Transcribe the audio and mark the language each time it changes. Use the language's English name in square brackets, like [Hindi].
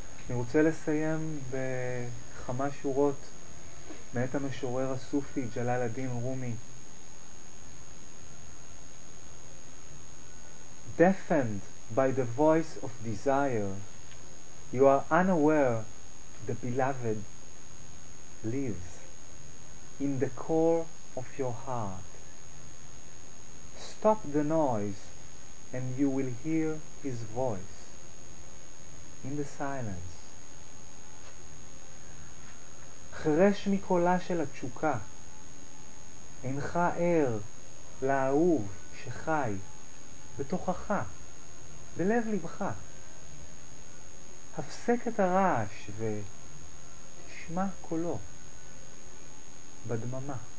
[Hebrew] אני רוצה לסיים בכמה שורות מאת המשורר הסופי ג'לאל א-דין רומי. [English] Deafened by the voice of desire, you are unaware the beloved lives in the core of your heart. Stop the noise and you will hear his voice in the silence. [Hebrew] חרש מקולה של התשוקה, אינך ער לאהוב שחי בתוכך, בלב לבך. הפסק את הרעש ותשמע קולו בדממה.